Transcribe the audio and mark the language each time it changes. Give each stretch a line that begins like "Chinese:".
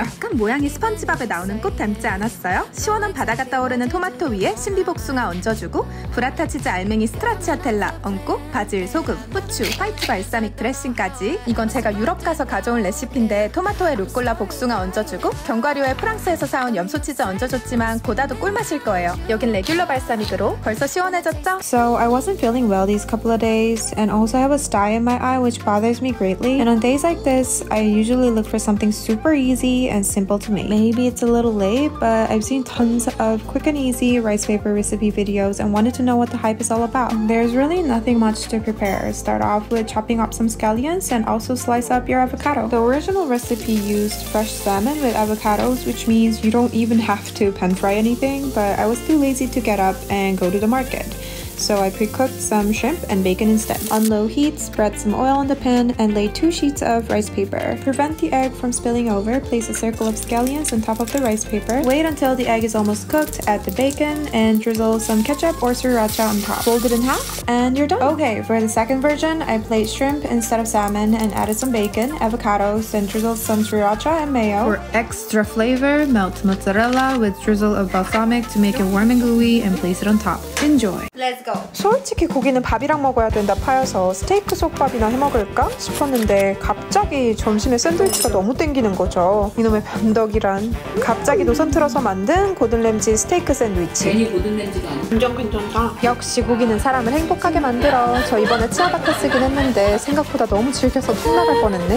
Korean: 약간 모양이 스펀지밥에 나오는 꽃 닮지 않았어요? 시원한 바다가 떠오르는 토마토 위에 신비복숙아 얹어주고 브라타 치즈 알맹이 스트라치아텔라 얹고 바질, 소금, 후추, 화이트 발사믹 드레싱까지. 이건 제가 유럽 가서 가져온 레시피인데 토마토에 루꼴라 복숭아 얹어주고 견과류에 프랑스에서 사온 염소치즈 얹어줬지만 고다도 꿀맛일 거예요. 여긴 레귤러 발사믹으로 벌써 시원해졌죠?
English: So I wasn't feeling well these couple of days and also I have a sty in my eye which bothers me greatly. And on days like this, I usually look for something super easy and simple to make. Maybe it's a little late, but I've seen tons of quick and easy rice paper recipe videos and wanted to know what the hype is all about. There's really nothing much to prepare. Start off with chopping up some scallions and also slice up your avocado. The original recipe used fresh salmon with avocados, which means you don't even have to pan fry anything, but I was too lazy to get up and go to the market. So I pre-cooked some shrimp and bacon instead. On low heat, spread some oil on the pan and lay two sheets of rice paper. Prevent the egg from spilling over, place a circle of scallions on top of the rice paper. Wait until the egg is almost cooked, add the bacon, and drizzle some ketchup or sriracha on top. Fold it in half, and you're done. Okay, for the second version, I plate shrimp instead of salmon and added some bacon, avocados, and drizzle some sriracha and mayo. For extra flavor, melt mozzarella with drizzle of balsamic to make it warm and gooey and place it on top. Enjoy. Let's go.
Korean: 솔직히 고기는 밥이랑 먹어야 된다 파여서 스테이크 솥밥이나 해먹을까 싶었는데 갑자기 점심에 샌드위치가 너무 땡기는 거죠. 이놈의 변덕이란. 갑자기 노선 틀어서 만든 고든 램지 스테이크 샌드위치. 괜히 고든 램지가 아니야. 완전 괜찮다. 역시 고기는 사람을 행복하게 만들어. 저 이번에 치아바타 쓰긴 했는데 생각보다 너무 질겨서 풀나갈 뻔했네.